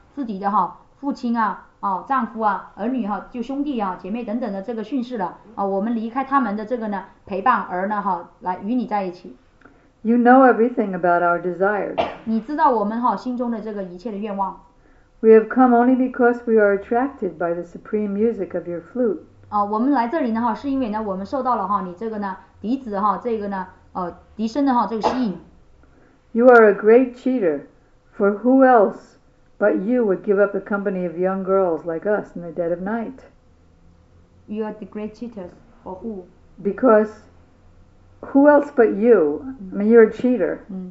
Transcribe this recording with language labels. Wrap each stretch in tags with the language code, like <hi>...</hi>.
<zh>自己的哈父亲啊，哦丈夫啊，儿女哈，就兄弟啊，姐妹等等的这个训示了啊，我们离开他们的这个呢陪伴儿呢哈，来与你在一起。</zh> <en>You know everything about our desires.</en> <zh>你知道我们哈心中的这个一切的愿望。</zh> <en>We have come only because we are attracted by the supreme music of your flute.</en> <zh>啊，我们来这里呢哈，是因为呢我们受到了哈你这个呢笛子哈这个呢笛声的哈这个吸引。</zh> <en>You are a great cheater, for who else? But you would give up the company of young girls like us in the dead of night. You are the great cheaters. For who? Because who else but you? I mean, you're a cheater.</en>